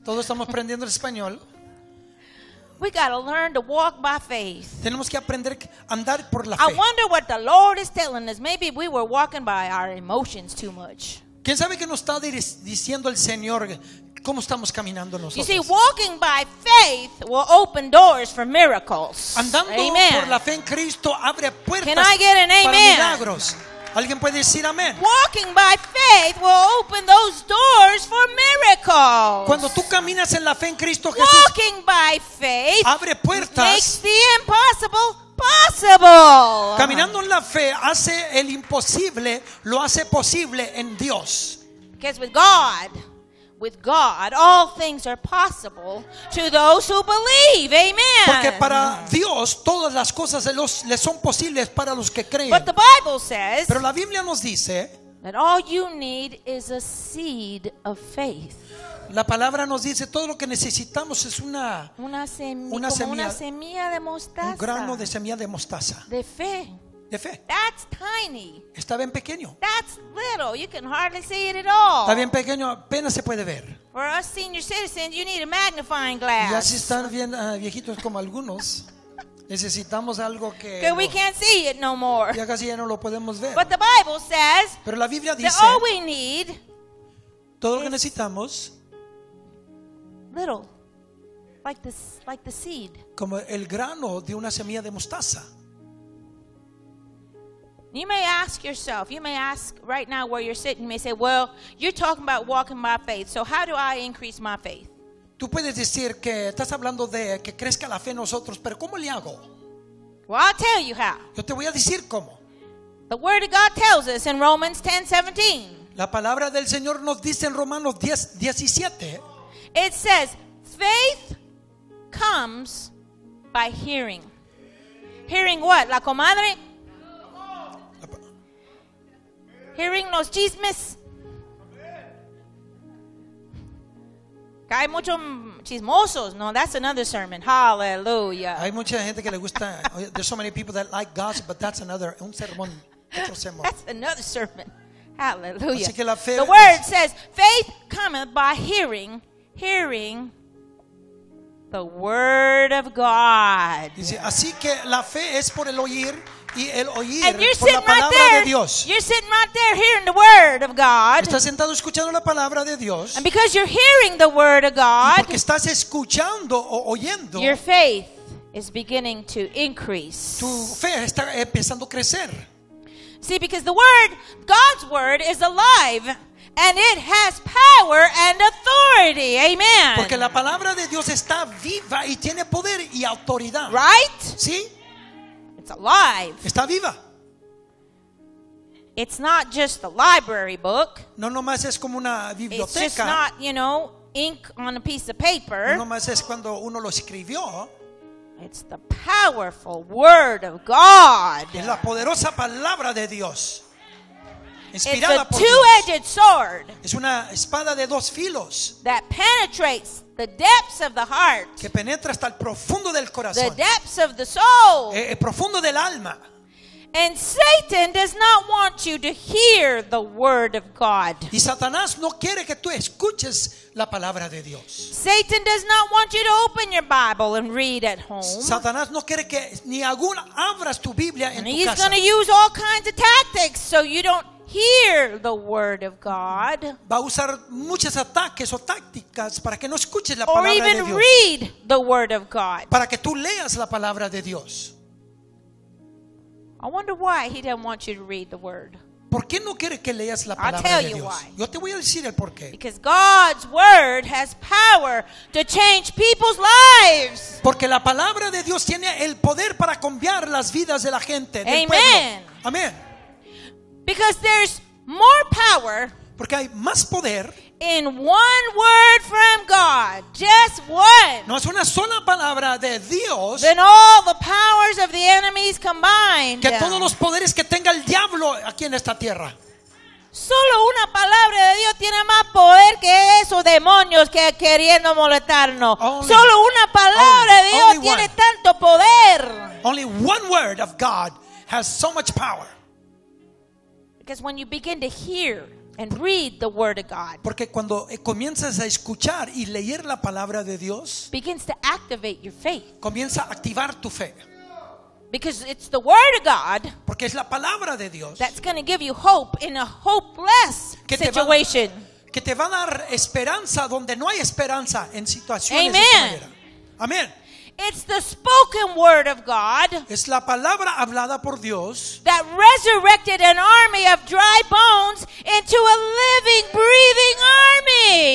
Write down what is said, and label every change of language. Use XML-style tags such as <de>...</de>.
<es>Todos estamos aprendiendo el español.</es> <en>We got to learn to walk by faith.</en> <es>Tenemos que aprender a andar por la fe.</es> <en>I wonder what the Lord is telling us. Maybe we were walking by our emotions too much.</en> <es>¿Quién sabe qué nos está diciendo el Señor? ¿Cómo estamos caminando nosotros?</es> <en>You see, walking by faith will open doors for miracles.</en> <es>Andando amen. Por la fe en Cristo abre puertas.</es> <en>Can I get an amen?</en> <es>Para milagros. ¿Alguien puede decir amén?</es> <en>Walking by faith will open those doors for miracles.</en> <es>Cuando tú caminas en la fe en Cristo Jesús,</es> <en>walking by faith</en> <es>abre puertas.</es> <en>Makes the impossible possible.</en> <es>Caminando en la fe hace el imposible, lo hace posible en Dios.</es> <en>Because with God, all things are possible to those who believe. Amen.</en> <es>Porque para Dios todas las cosas les son posibles para los que creen.</es> <en>But the Bible says.</en> <es>Pero la Biblia nos dice.</es> <en>That all you need is a seed of faith.</en> <es>La palabra nos dice todo lo que necesitamos es una semilla de mostaza. Un grano de semilla de mostaza. De fe. De fe.</es> <en>That's tiny.</en> <es>Está bien pequeño.</es> <en>That's little. You can hardly see it at all.</en> <es>Está bien pequeño, apenas se puede ver.</es> <en>For us senior citizens, you need a magnifying glass.</en> <es>Y así están bien viejitos como algunos. Necesitamos algo que.</es> <en>Because we can't see it no more.</en> <es>Ya casi ya no lo podemos ver.</es> <en>But the Bible says.</en> <es>Pero la Biblia dice.</es> <en>That all we need.</en> <es>Todo lo que necesitamos.</es> <en>Little. Like the seed.</en> <es>Como el grano de una semilla de mostaza.</es> <en>You may ask yourself, you may ask right now where you're sitting, you may say, well, you're talking about walking by faith, so how do I increase my faith?</en> <es>Tú puedes decir que estás hablando de que crezca la fe en nosotros, pero ¿cómo le hago?</es> <en>Well, I'll tell you how.</en> <es>Yo te voy a decir cómo.</es> <en>The Word of God tells us in Romans 10:17.</en> <es>La palabra del Señor nos dice en Romanos 10:17.</es> <en>It says, faith comes by hearing. Hearing what?</en> <es>La comadre.</es> <en>Hearing</en> <es>los chismes. Hay muchos chismosos.</es> <en>No, that's another sermon. Hallelujah.</en> <es>Hay mucha gente que le gusta.</es> <en>There's so many people that like gossip, but that's another.</en> <es>Un sermón.</es> <en>That's another sermon. Hallelujah.</en> <es>Así que la fe</es> <en>the word says, faith cometh by hearing, hearing the word of God.</en> <es>Dice, así que la fe es por el oír. Y el oír</es> <en>and you're sitting</en> <es>por la palabra</es> <en>right there,</en> <es>de Dios.</es> <en>You're sitting right there hearing the word of God.</en> <es>Estás sentado escuchando la palabra de Dios.</es> <en>And because you're hearing the word of God,</en> <es>y porque estás escuchando o oyendo,</es> <en>your faith is beginning to increase.</en> <es>Tu fe está empezando a crecer.</es> <en>See, because the word, God's word is alive and it has power and authority. Amen.</en> <es>Porque la palabra de Dios está viva y tiene poder y autoridad.</es> <en>Right?</en> <es>¿Sí?</es> <en>Alive.</en> <es>Está viva.</es> <en>It's not just a library book.</en> <es>No nomás es como una biblioteca.</es> <en>It's just not, you know, ink on a piece of paper.</en> <es>No nomás es cuando uno lo escribió.</es> <en>It's the powerful word of God.</en> <es>Es la poderosa palabra de Dios. Inspirada por Dios.</es> <en>It's a two-edged sword.</en> <es>Es una espada de dos filos.</es> <en>That penetrates the depths of the heart.</en> <es>Que penetra hasta el profundo del corazón.</es> <en>The depths of the soul.</en> <es>El profundo del alma.</es> <en>And Satan does not want you to hear the word of God.</en> <es>Y Satanás no quiere que tú escuches la palabra de Dios.</es> <en>Satan does not want you to open your Bible and read at home.</en> <es>Satanás no quiere que ni aún abras tu Biblia en</es> <en>and</en> <es>tu casa.</es> <en>He's going to use all kinds of tactics so you don't hear the word of God.</en> <es>Va a usar muchos ataques o tácticas para que no escuches la palabra de Dios.</es> <en>Or even read the word of God.</en> <es>Para que tú leas la palabra de Dios. I wonder why he didn't want you to read the word. ¿Por qué no quieres que leas la palabra de Dios? Yo te voy a decir el porqué.</es> <en>Because God's word has power to change people's lives.</en> <es>Porque la palabra de Dios tiene el poder para cambiar las vidas de la gente, del Amen. Pueblo. Amén.</es> <en>Because there's more power.</en> <es>Porque hay más poder.</es> <en>In one word from God, just one.</en> <es>No es una sola palabra de Dios.</es> <en>Then all the powers of the enemies combined.</en> <es>Que todos los poderes que tenga el diablo aquí en esta tierra. Solo una palabra de Dios tiene más poder que esos demonios que queriendo molestarnos. Solo una palabra de Dios tiene tanto poder.</es> <en>Only one word of God has so much power. Because when you begin to hear. And read the word of God.</en> <es>Porque cuando comienzas a escuchar y leer la palabra de Dios,</es> <en>begins to activate your faith.</en> <es>Comienza a activar tu fe.</es> <en>Because it's the word of God.</en> <es>Porque es la palabra de Dios.</es> <en>That's going to give you hope in a hopeless situation.</en> <es>Que te va a dar esperanza donde no hay esperanza en situaciones de manera. Amén.</es> <en>It's the spoken word of God.</en> <es>Es la palabra hablada por Dios.</es> <en>That resurrected an army of dry bones into a living, breathing army.</en>